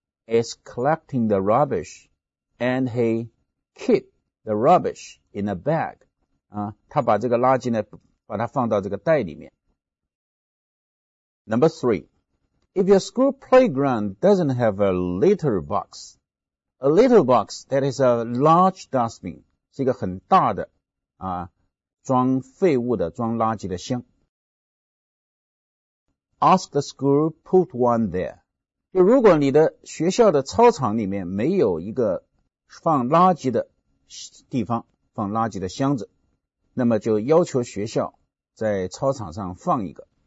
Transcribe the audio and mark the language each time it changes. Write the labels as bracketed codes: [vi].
[en] is collecting the rubbish and he keep the rubbish in a bag. [zh] 啊，他把这个垃圾呢把它放到这个袋里面。 [en] Number three, if your school playground doesn't have a litter box, a litter box that is a large dustbin, [zh] 是一个很大的啊装废物的装垃圾的箱。 [en] Ask the school put one there. [zh] 就如果你的学校的操场里面没有一个放垃圾的地方，放垃圾的箱子，那么就要求学校在操场上放一个。